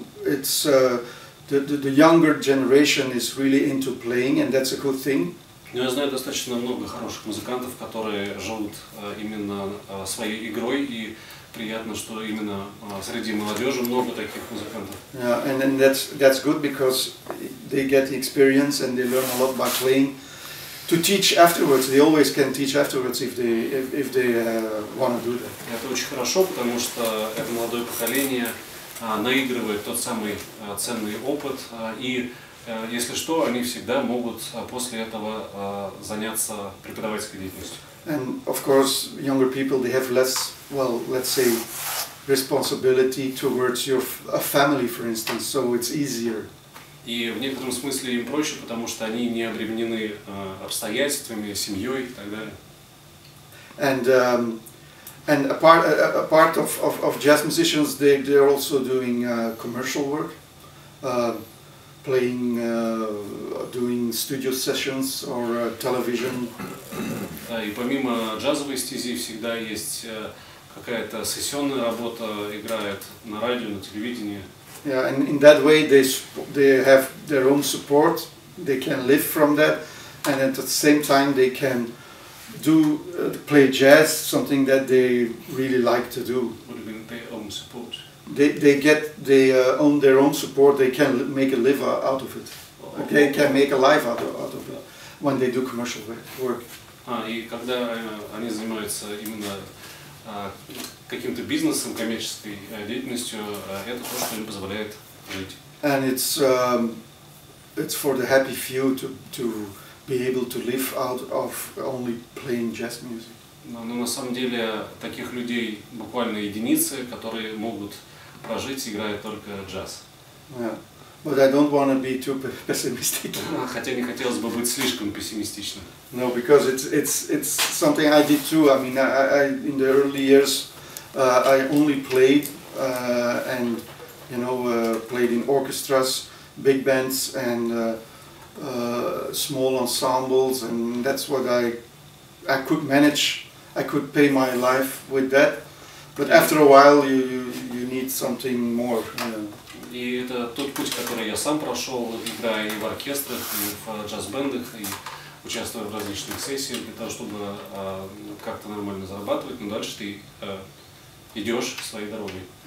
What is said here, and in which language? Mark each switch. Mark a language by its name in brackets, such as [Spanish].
[English] It's the younger generation is really into playing, and that's a good thing. [Russian] Но я знаю достаточно много хороших музыкантов, которые живут именно своей игрой, и приятно, что именно среди молодежи много таких музыкантов. [English] Yeah, and then that's good because they get the experience and they learn a lot by playing. To teach afterwards, they always can teach afterwards if they want to do that. [Russian] Это очень хорошо, потому что это молодое поколение наигрывает тот самый ценный опыт, и если что, они всегда могут после этого заняться преподавательской деятельностью. [English] And of course, younger people, they have less, well, let's say, responsibility towards your family, for instance, so it's easier. [Russian] И в некотором смысле им проще, потому что они не обременены обстоятельствами, семьей и так далее. [English] And a part of jazz musicians, they're also doing commercial work, playing, doing studio sessions or television. [Russian] Да, и помимо джазовой стези всегда есть какая-то сессионная работа, играет на радио, на телевидении. [English] Yeah, and in that way they have their own support, they can live from that, and at the same time they can do play jazz, something that they really like to do. What do you mean, their own support? they get the on their own support, they can make a live out of it. Okay, they can make a life out of it when they do commercial work. [Russian] И когда они занимаются именно каким-то бизнесом, коммерческой деятельностью, это то, что им позволяет жить. [English] And it's for the happy few to be able to live out of only playing jazz music. [Russian] Но на самом деле таких людей буквально единицы, которые могут прожить, играя только джаз. [English] Yeah. But I don't want to be too pessimistic. [Russian] Хотя не хотелось бы быть слишком пессимистичным. [English] No, because it's something I did too. I mean, I in the early years I only played and you know played in orchestras, big bands and small ensembles, and that's what I could manage. I could pay my life with that, but after a while you need something more. [Russian] И это тот путь, который я сам прошел, играя и в оркестрах, и в джаз-бендах, и участвуя в различных сессиях для того, чтобы как-то нормально зарабатывать. Но дальше ты идешь своей дорогой.